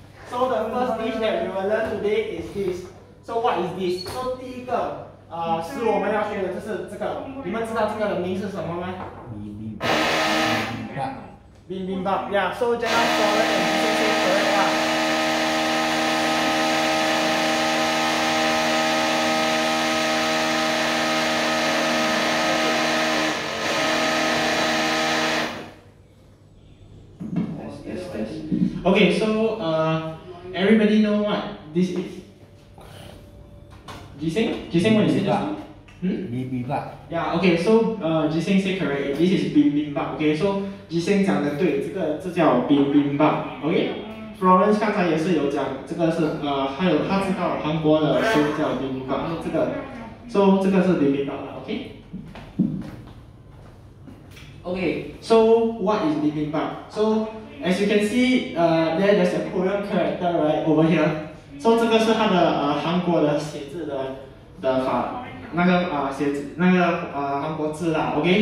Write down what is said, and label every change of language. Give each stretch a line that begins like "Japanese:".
English: So the first dish that we will learn today is this. So what is this?
Chinese: So 第一个是我们要学的就是这个。你们知道这个的名是什么吗？
English: Bibimbap. Yeah. So just now Florence and Cici said correct. Yes. Okay. So everybody know what this is. Jiseng, what is it? Bibimbap. Yeah. Okay. So Jiseng said correct. This is bibimbap. Okay. So.
Chinese: 吉星讲的对，这叫冰冰棒 ，OK。 Florence 刚才也是有讲，这个是还有他知道韩国的书叫冰冰棒，这个，所以这个是冰冰棒了 ，OK。
English: OK， so what is 冰冰棒 ？So as you can see, there's a Korean character right over here.
Chinese: So 这个是他的韩国的写字的法，那个写字那个韩国字啦 ，OK。